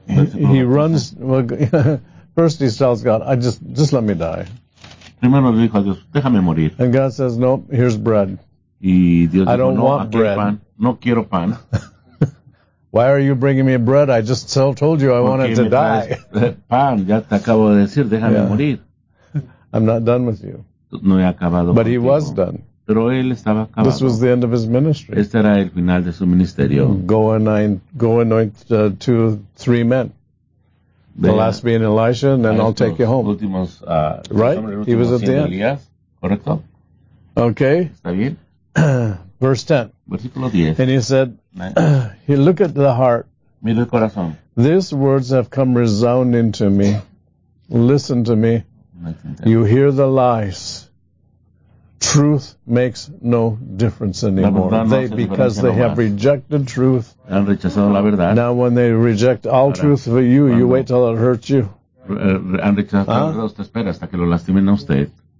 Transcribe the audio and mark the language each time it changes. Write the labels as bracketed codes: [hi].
[en] He runs. Well, First he tells God, just let me die. [es] Primero dijo a Dios, déjame morir. [en] And God says, no, nope, here's bread. [es] Y Dios dijo, [en] I don't want bread. [es] Pan. No quiero pan. [en] Why are you bringing me bread? I just told you I wanted to die. [es] Pan, ya te acabo de decir, déjame morir. [en] I'm not done with you. [es] No he acabado [en] but [es] contigo. [en] He was done. [es] Pero él estaba acabado. [en] This was the end of his ministry. [es] Este era el final de su ministerio. [en] Go anoint 2-3 men. The last being Elisha, and then I'll take you home. [es] Últimos, [en] right? He was at the end. [es] Elías, correcto? [en] Okay. [es] Está bien. [en] Verse 10. [es] Versículo 10. [en] And he said, he look at the heart. [es] Mira el corazón. [en] These words have come resounding to me. Listen to me. You hear the lies. Truth makes no difference anymore. They, because they have rejected truth. [es] Han rechazado la verdad. [en] Now when they reject all ahora, truth for you, you wait till it hurts you. [es] Han rechazado la verdad, usted espera hasta que lo lastimen a usted.